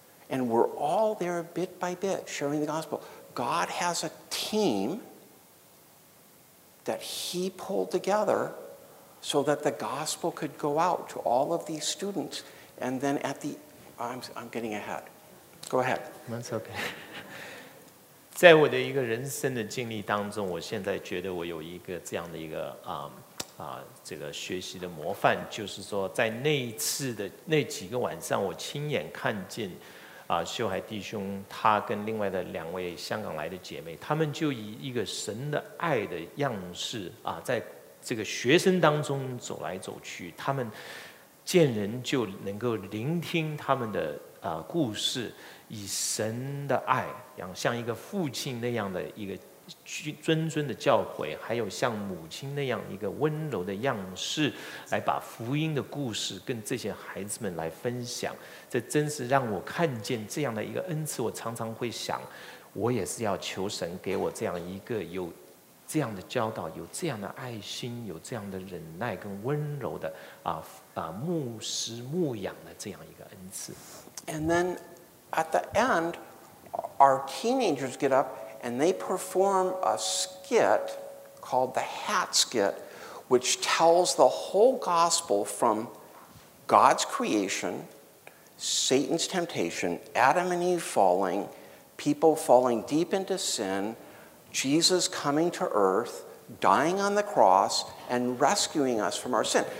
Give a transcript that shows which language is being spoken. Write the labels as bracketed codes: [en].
[en] And we're all there bit by bit sharing the gospel. God has a team that he pulled together so that the gospel could go out to all of these students. And then at the, I'm getting ahead. Go ahead. That's okay. [zh] 在我的一个人生的经历当中，我现在觉得我有一个这样的一个这个学习的模范，就是说在那一次的那几个晚上，我亲眼看见秀海弟兄他跟另外的两位香港来的姐妹，他们就以一个神的爱的样式在这个学生当中走来走去，他们见人就能够聆听他们的故事，以神的爱像一个父亲那样的一个谆谆的教诲，还有像母亲那样一个温柔的样式，来把福音的故事跟这些孩子们来分享。这真是让我看见这样的一个恩赐。我常常会想，我也是要求神给我这样一个有这样的教导，有这样的爱心，有这样的忍耐跟温柔的牧师牧养的这样一个恩赐。 [en] And then at the end, our teenagers get up and they perform a skit called the Hat Skit, which tells the whole gospel from God's creation, Satan's temptation, Adam and Eve falling, people falling deep into sin, Jesus coming to earth, dying on the cross, and rescuing us from our sin.